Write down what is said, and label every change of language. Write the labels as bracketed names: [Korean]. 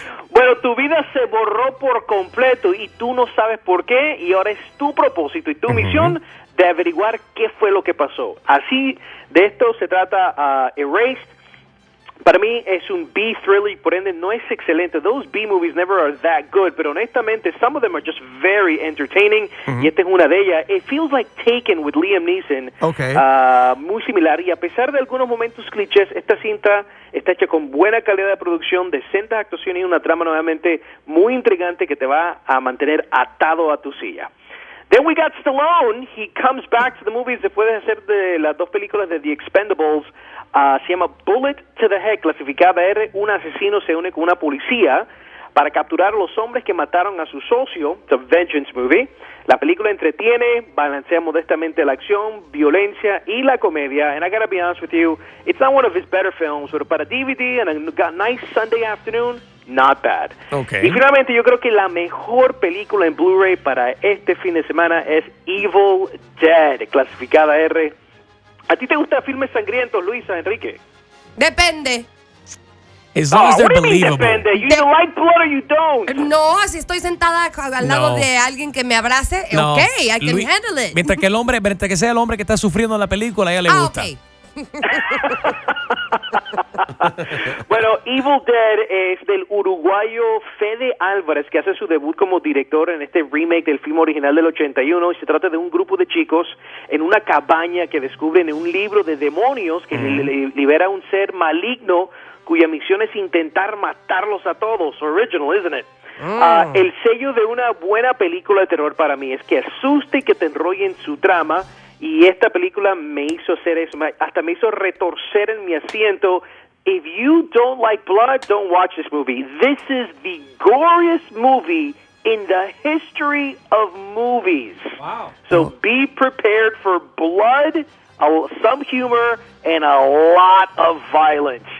[Spanish] Bueno, tu vida se borró por completo y tú no sabes por qué, y ahora es tu propósito y tu misión de averiguar qué fue lo que pasó. Así, de esto se trata Erased. Para mí es un B-thriller, por ende no es excelente. [English] Those B-movies never are that good, but honestamente, some of them are just very entertaining. Mm-hmm. [Spanish] Y esta es una de ellas. [English] It feels like Taken with Liam Neeson. Okay. [Spanish] Muy similar. Y a pesar de algunos momentos clichés, esta cinta está hecha con buena calidad de producción, decentes actuaciones y una trama nuevamente muy intrigante que te va a mantener atado a tu silla. [English] Then we got Stallone. He comes back to the movies [Spanish] después de hacer de las dos películas de [English] The Expendables. [Spanish] Se llama Bullet to the Head, clasificada R. Un asesino se une con una policía para capturar a los hombres que mataron a su socio. [English] It's a vengeance movie. [Spanish] La película entretiene, balancea modestamente la acción, violencia y la comedia. [English] And I gotta be honest with you, it's not one of his better films, but para DVD and a nice Sunday afternoon, not bad. Okay. [Spanish] Y finalmente, yo creo que la mejor película en Blu-ray para este fin de semana es Evil Dead, clasificada R. ¿A ti te gusta filmes sangrientos, Luisa, Enrique? Depende. [English] As long as they're believable. Mean, depende. You like blood or you don't. [Spanish] No, si estoy sentada al lado de alguien que me abrace, no. [English] Ok, I can handle it. [Spanish] Mientras que sea el hombre que está sufriendo en la película, a ella le gusta. Ah, ok. Bueno, Evil Dead es del uruguayo Fede Álvarez, que hace su debut como director en este remake del film original del 81, y se trata de un grupo de chicos en una cabaña que descubren un libro de demonios que libera un ser maligno cuya misión es intentar matarlos a todos. [English] Original, isn't it? [Spanish] El sello de una buena película de terror para mí es que asuste y que te enrolle en su trama. Y esta película me hizo hacer eso, hasta me hizo retorcer en mi asiento. [English] If you don't like blood, don't watch this movie. This is the goriest movie in the history of movies. Wow. So be prepared for blood, some humor, and a lot of violence.